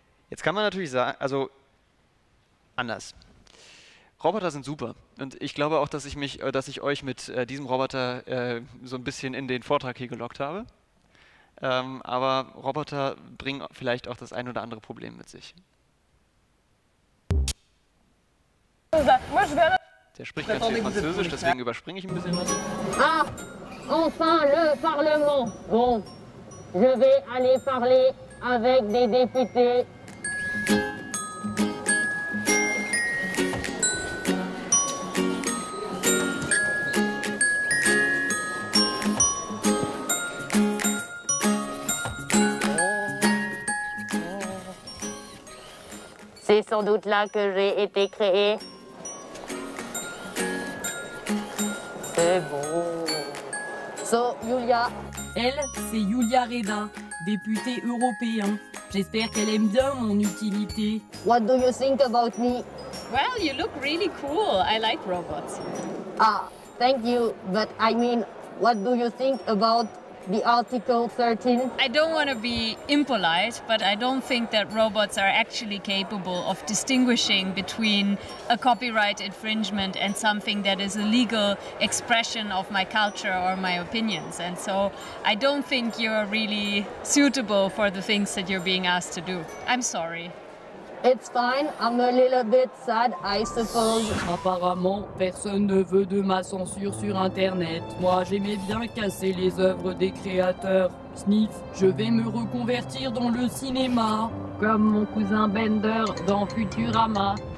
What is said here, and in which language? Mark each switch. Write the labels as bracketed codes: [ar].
[de] Jetzt kann man natürlich sagen, also anders. Roboter sind super und ich glaube auch, dass ich euch mit diesem Roboter so ein bisschen in den Vortrag hier gelockt habe. Aber Roboter bringen vielleicht auch das ein oder andere Problem mit sich. Der spricht ganz viel Französisch, deswegen überspringe ich ein bisschen was. [fr] Ah, enfin le Parlement. Bon, je vais aller parler avec des députés. C'est sans doute là que j'ai été créé. C'est beau. Julia. Elle, c'est Julia Reda, députée européenne. J'espère qu'elle aime bien mon utilité. [en] What do you think about me? Well, you look really cool. I like robots. Ah, thank you. But I mean, what do you think about the Article 13? I don't want to be impolite, but I don't think that robots are actually capable of distinguishing between a copyright infringement and something that is a legal expression of my culture or my opinions. And so I don't think you're really suitable for the things that you're being asked to do. I'm sorry. It's fine. I'm a little bit sad, I suppose. [fr] Apparemment, personne ne veut de ma censure sur Internet. Moi, j'aimais bien casser les œuvres des créateurs. Sniff, je vais me reconvertir dans le cinéma. Comme mon cousin Bender dans Futurama.